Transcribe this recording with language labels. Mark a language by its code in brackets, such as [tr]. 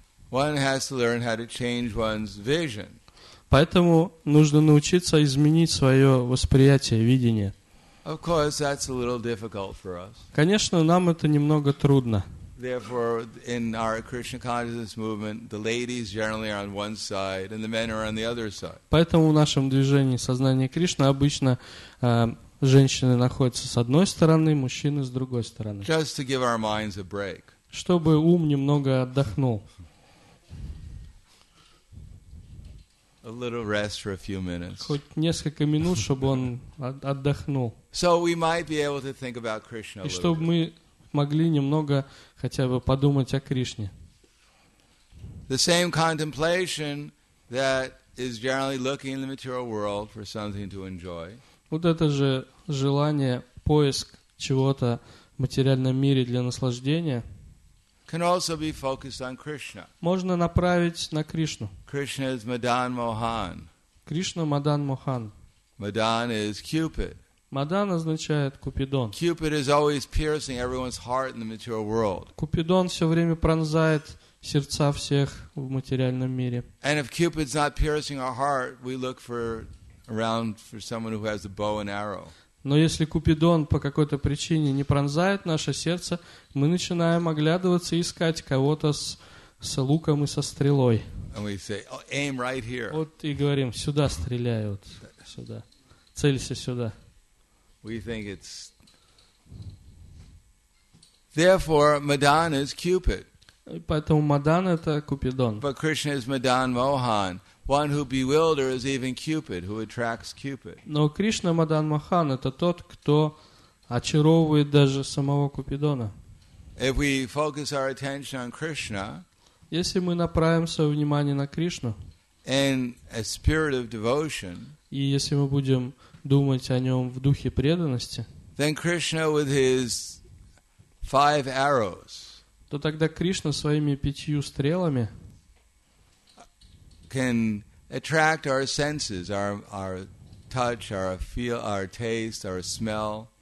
[en] One has to learn how to change one's vision. [ru] Поэтому нужно научиться изменить свое восприятие, видение. [en] Of course, that's a little difficult for us. [ru] Конечно, нам это немного трудно. [en] Therefore, in our Krishna consciousness movement, the ladies generally are on one side, and the men are on the other side. [ru] Поэтому в нашем движении сознания Кришны обычно женщины находятся с одной стороны, мужчины с другой стороны. [en] Just to give our minds a break. [ru] Чтобы ум немного отдохнул. [en] A little rest for a few minutes. [ru] Хоть несколько минут, чтобы он отдохнул. [en] So we might be able to think about Krishna a little. [ru] И чтобы мы могли немного хотя бы подумать о Кришне. [en] The same contemplation that is generally looking in the material world for something to enjoy. [ru] Вот это же желание, поиск чего-то в материальном мире для наслаждения. [en] Can also be focused on Krishna. [ru] Можно направить на Кришну. [en] Krishna is Madan Mohan. Krishna Madan Mohan. Madan is Cupid. [ru] Madan означает Купидон. [en] Cupid is always piercing everyone's heart in the material world. [ru] Купидон все время пронзает сердца всех в материальном мире. [en] And if Cupid's not piercing our heart, we look around for someone who has a bow and arrow. [ru] Но если Купидон по какой-то причине не пронзает наше сердце, мы начинаем оглядываться и искать кого-то с луком и со стрелой. [en] And we say, oh, aim right here. [ru] Вот и говорим, сюда стреляй, вот сюда. Целься сюда. [en] We think it's... Therefore, Madan is Cupid. [ru] Поэтому Мадан — это Купидон. [en] But Krishna is Madan Mohan. One who bewilders even Cupid, who attracts Cupid. [ru] Но Кришна Мадан Махан это тот, кто очаровывает даже самого Купидона. [en] If we focus our attention on Krishna, [ru] если мы направим свое внимание на Кришну, [en] in a spirit of devotion, [ru] и если мы будем думать о нем в духе преданности, [en] then Krishna with his five arrows, [ru] то тогда Кришна своими пятью стрелами [en] can attract our senses, our touch, our feel, our taste, our smell.